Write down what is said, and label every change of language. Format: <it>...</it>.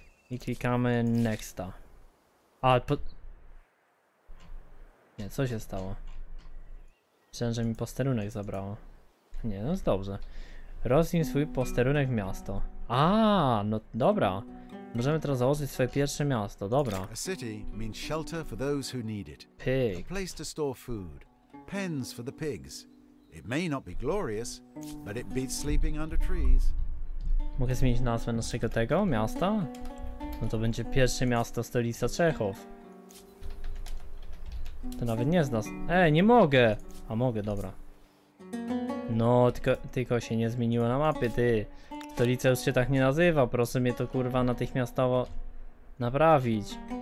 <pl>I klikamy nexta. A, po... Nie, co się stało? Myślałem, że mi posterunek zabrało. Nie, no jest dobrze. Rozniósł swój posterunek w miasto. A, no dobra. Możemy teraz założyć swoje pierwsze miasto, dobra.</pl> <en>A city means shelter for those who need it. Pig. A place to store food. Pens for the pigs. It may not be glorious, but it beats sleeping under trees.</en> <pl>Mogę zmienić nazwę naszego tego miasta? No to będzie pierwsze miasto stolica Czechów. To nawet nie z nas. Nie mogę! A mogę, dobra. No, tylko się nie zmieniło na mapie, ty. Stolica już się tak nie nazywa, proszę mnie to kurwa natychmiastowo naprawić.</pl>